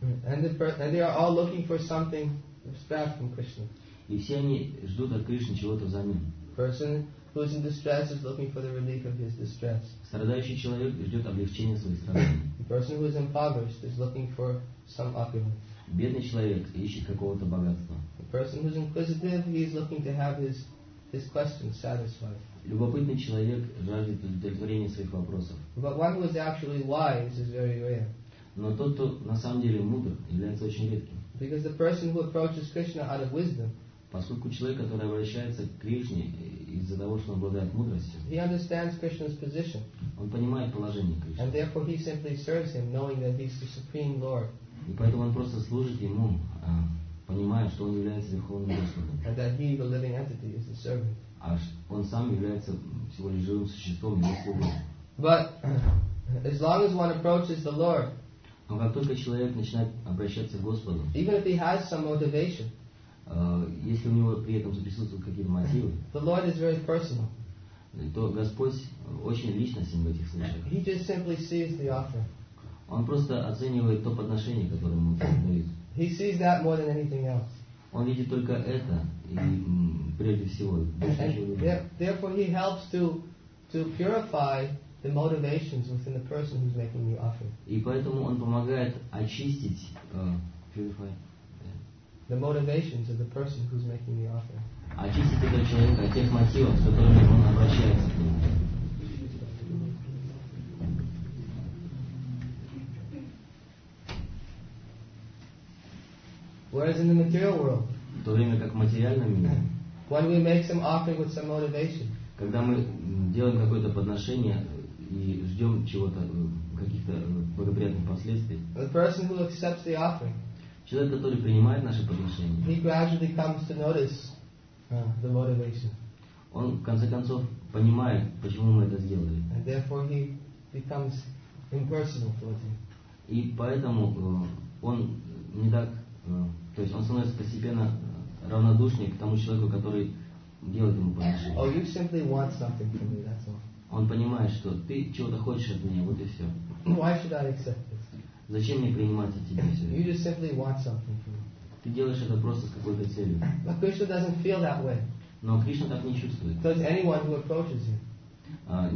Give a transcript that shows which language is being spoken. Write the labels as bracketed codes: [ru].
[en] And they are all looking for something back from Krishna. [ru] И все они ждут от Кришны чего-то взамен. [en] Person who is in distress is looking for the relief of his distress. [ru] Страдающий человек ждет облегчения своих страданий. [en] Person who is impoverished is looking for some opulence. [ru] Бедный человек ищет какого-то богатства. [en] The person who is inquisitive, he is looking to have his questions satisfied. [ru] Любопытный человек жаждет удовлетворения своих вопросов. [en] But one who is actually wise is very rare. [ru] Но тот, кто на самом деле мудр, является очень редким. [en] Because the person who approaches Krishna out of wisdom, [ru] поскольку человек, который обращается к Кришне из-за того, что он обладает мудростью, [en] he understands Krishna's position. [ru] Он понимает положение Кришны. [en] And therefore he simply serves him, knowing that he's the supreme Lord. [ru] И поэтому он просто служит ему, понимая, что он является верховным господом. [en] And that he, the living entity, is the servant. [ru] А он сам является всего лишь живым существом, его слугой. [en] But as long as one approaches the Lord, [ru] но как только человек начинает обращаться к Господу, [en] even if he has some motivation, [ru] если у него при этом присутствуют какие-то мотивы, [en] the Lord is very personal. [ru] То Господь очень личностен в этих случаях. [en] He just simply sees the offer. [ru] Он просто оценивает то подношение, которое ему дают. [en] He sees that more than anything else. [ru] Он видит только это, и прежде всего. [en] Therefore, he helps to purify the motivations within the person who's making the offer. [ru] И поэтому он помогает очистить, purify, [en] the motivations of the person who's making the offering. [ru] Очистить этого человека от тех мотивов, с которыми он обращается к нему. [en] Whereas in the material world, [ru] в то время как в материальном мире, [en] when we make some offering with some motivation, [ru] когда мы делаем какое-то подношение и ждем чего-то, каких-то благоприятных последствий, [en] the person who accepts the offering, [ru] человек, который принимает наше подношение, [en] he gradually comes to notice the motivation. [ru] Он в конце концов понимает, почему мы это сделали. [en] And therefore he becomes impersonal towards him. [ru] И поэтому он не так, то есть он становится постепенно равнодушнее к тому человеку, который делает ему подношение. [en] Oh, you simply want something from me, that's all. [ru] Он понимает, что ты чего-то хочешь от меня, вот и все. [en] Why should I accept this? [ru] Зачем мне принимать от тебя все? [en] You just simply want something from me. [ru] Ты делаешь это просто с какой-то целью. [en] But Krishna doesn't feel that way. [ru] Но Кришна так не чувствует. [en] Because anyone who approaches him,